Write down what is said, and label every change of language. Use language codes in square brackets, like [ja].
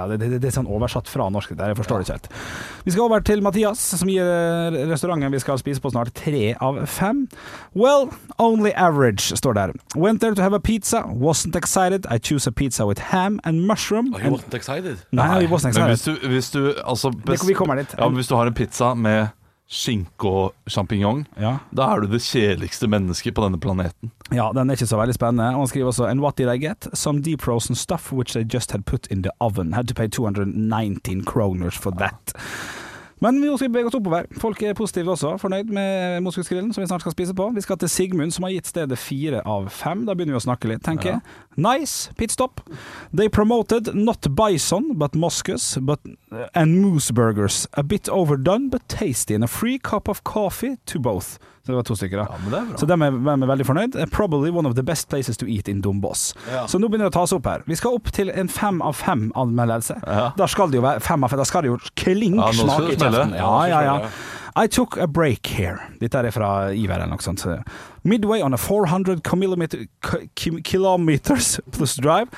[no] Ja, det er sånn oversatt fra norsk, det er, jeg forstår det ikke helt. Vi skal over til Mathias, som gir restauranten vi skal spise på snart 3 av 5. [en] Well, only average, [no] står der. [en] Went there to have a pizza, wasn't excited. I choose a pizza with ham and mushroom. Oh, you wasn't excited? [no] Nej, [en] you wasn't excited. [no] Men hvis du, altså... Vi kommer dit. Ja, hvis du har en pizza med... skink og champignon, ja. Da er du det kjedeligste menneske på denne planeten. Ja, den er ikke så veldig spennende. Og han skriver også, [en] and what did I get? Some deep frozen stuff which they just had put in the oven. Had to pay 219 kroner for that. [no] Men vi skal bevege oss oppover. Folk er positive også, fornøyd med moskusgrillen som vi snart skal spise på. Vi skal til Sigmund som har gitt stedet 4 av 5. Da begynner vi å snakke litt, tenker jeg. [en] Ja. Nice, pitstop. They promoted not bison, but moskus but, and moose burgers. A bit overdone, but tasty. And a free cup of coffee to both. [no] Så det var 2 stykker da. Ja, men det er bra. Så de er veldig fornøyd. [en] Probably one of the best places to eat in Dombås. [no] Ja. Så nå begynner det å ta oss opp her. Vi skal opp til en 5 av 5 anmeldelse. Ja. Da skal det jo være 5 av 5. Da skal det jo klink smake. Ja, Ja. [en] I took a break here. [no] Dette er fra Ivar eller noe sånt. [en] Midway on a 400 kilometers plus drive.